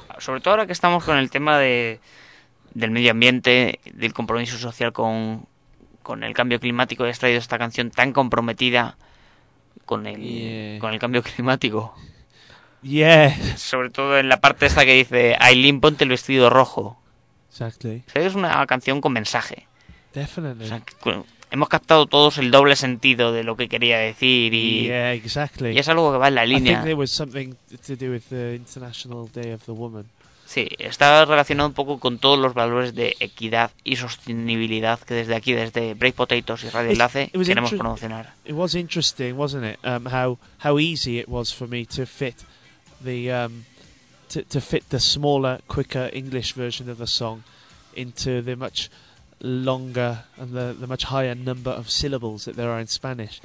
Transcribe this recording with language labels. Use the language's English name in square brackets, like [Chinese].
[Spanish] Sobre todo ahora que estamos con el tema del medio ambiente, del compromiso social con el cambio climático, hayas traído esta canción tan comprometida con el cambio climático. [English] Yeah. [Spanish] Sobre todo en la parte esta que dice Eileen, ponte el vestido rojo. [English] Exactly. [Spanish] O sea, es una canción con mensaje. [English] Definitely. [Spanish] O sea, hemos captado todos el doble sentido de lo que quería decir y, [English] yeah, exactly. [Spanish] Y es algo que va en la línea. [English] I think there was something to do with the International Day of the Woman. [Spanish] Sí, está relacionado un poco con todos los valores de equidad y sostenibilidad que desde aquí, desde Break Potatoes y Radio Enlace, queremos promocionar. [English] It was interesting, wasn't it? How easy it was for me to fit the smaller, quicker English version of the song into the much longer and the much higher number of syllables that there are in Spanish.